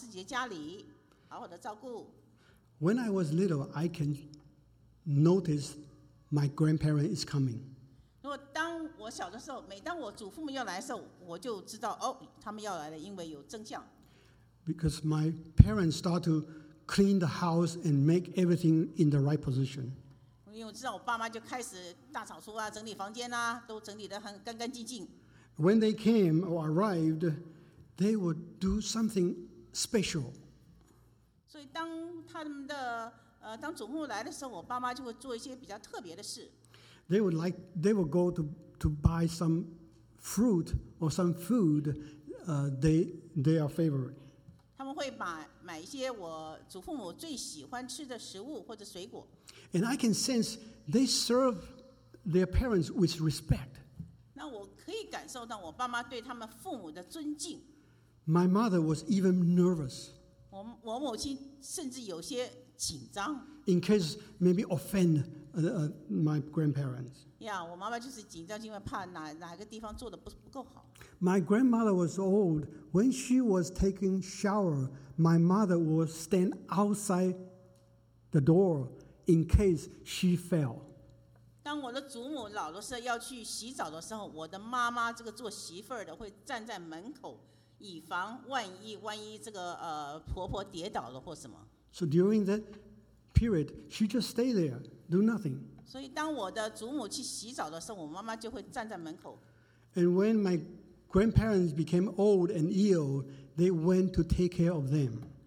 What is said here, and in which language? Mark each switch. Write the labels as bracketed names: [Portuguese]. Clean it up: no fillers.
[Chinese] 那这些孙子孙女们嘛，就轮流的把祖父祖母请到自己的家里，好好的照顾。 [English] When I was little, I can notice my grandparent is coming. [Chinese] 如果当我小的时候，每当我祖父母要来的时候，我就知道哦，他们要来了，因为有征象。 [English] Because my parents start to clean the house and make everything in the right position. [Chinese] 因为我知道我爸妈就开始大扫除啊，整理房间啊，都整理得很干干净净。 [English] When they came or arrived, they would do something special. [Chinese] 所以当祖父母来的时候，我爸妈就会做一些比较特别的事。 [English] They would go to buy some fruit or some food they are favorite. [Chinese] 他们会买一些我祖父母最喜欢吃的食物或者水果。 [English] And I can sense they serve their parents with respect. [Chinese] 那我可以感受到我爸妈对他们父母的尊敬。 [English] My mother was even nervous. [Chinese] 我母亲甚至有些紧张。 [English] In case maybe offend my grandparents. [Chinese] Yeah, 我妈妈就是紧张，因为怕哪个地方做的不够好。 [English] My grandmother was old. When she was taking shower, my mother would stand outside the door in case she fell. [Chinese] 当我的祖母老的时候要去洗澡的时候，我的妈妈这个做媳妇儿的会站在门口。以防万一这个婆婆跌倒了或什么。So [English] during that period, she just stay there, do nothing. [Chinese] 所以当我的祖母去洗澡的时候，我妈妈就会站在门口。And [English] when my grandparents became old and ill, they went to take care of them.